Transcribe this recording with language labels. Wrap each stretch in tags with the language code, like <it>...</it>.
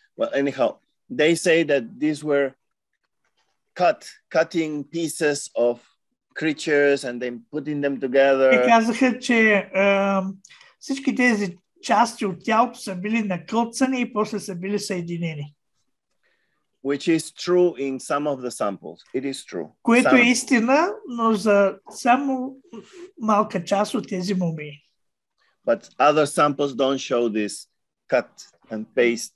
<en>Well, anyhow, they say that these were cutting pieces of creatures and then putting them together.</en> <bg>И казаха, че всички тези части от тялото са били накълцани и после са били съединени.</bg> <en>Which is true in some of the samples. It is true.</en> <bg>Което е истина, но за само малка част от тези мумии.</bg> <en>But other samples don't show this cut and paste.</en>